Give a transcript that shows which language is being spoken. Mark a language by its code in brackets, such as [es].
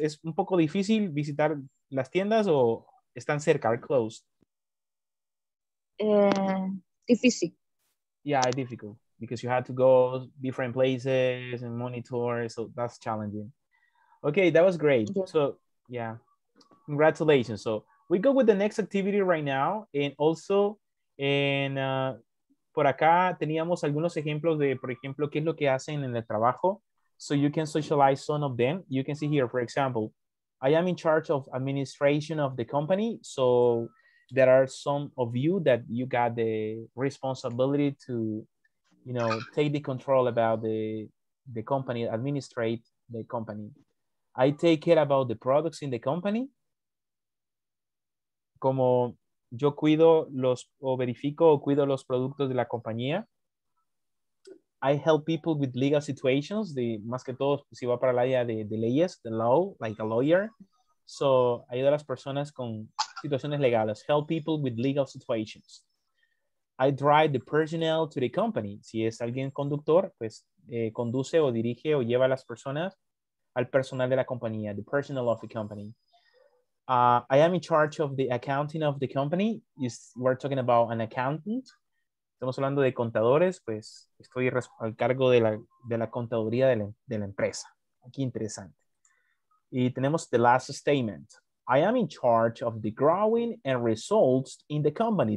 [es] Es un poco difícil visitar las tiendas o están cerca, [en] are closed. Difficult. Yeah, difficult because you had to go different places and monitor, so that's challenging. Okay, that was great. Yeah. So Yeah, congratulations. So we go with the next activity right now. And also, and [es] por acá teníamos algunos ejemplos de, por ejemplo, qué es lo que hacen en el trabajo. [en] So you can socialize some of them. You can see here, for example, I am in charge of administration of the company. So there are some of you that you got the responsibility to, you know, take the control about the company, administrate the company. I take care about the products in the company. [es] Como yo cuido los, o verifico o cuido los productos de la compañía. [en] I help people with legal situations, the, [es] más que todo si va para la área de leyes, [en] the law, like a lawyer. [es] So, ayuda a las personas con situaciones legales. [en] Help people with legal situations. I drive the personnel to the company. [es] Si es alguien conductor, pues conduce o dirige o lleva a las personas al personal de la compañía, [en] the personnel of the company. I am in charge of the accounting of the company. It's, we're talking about an accountant. [es] Estamos hablando de contadores, pues estoy al cargo de la contaduría de la empresa. Aquí interesante. Y tenemos [en] the last statement. I am in charge of the growing and results in the company.